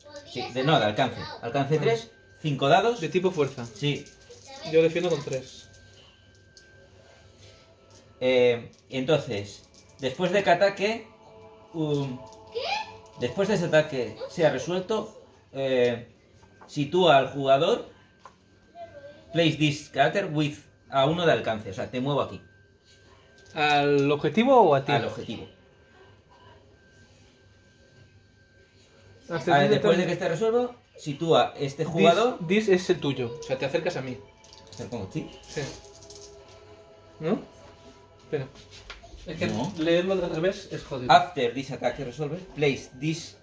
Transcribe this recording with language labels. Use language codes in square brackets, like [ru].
[es] Sí, de no, de alcance. Alcance 3, 5 dados. De tipo fuerza. Sí. Yo defiendo con 3. Entonces, después de que ataque. ¿Qué? Después de ese ataque sea resuelto. Sitúa al jugador. [en] Place this character with a [es] uno de alcance. O sea, te muevo aquí. ¿Al objetivo o a ti? Al objetivo. A ver, después de que esté resuelto, sitúa este jugador. [en] This, this [es] es el tuyo. O sea, te acercas a mí. ¿Te pongo sí? Sí. ¿No? Espera. Es que no. Leerlo de revés es jodido. [en] After this attack resolve, place this.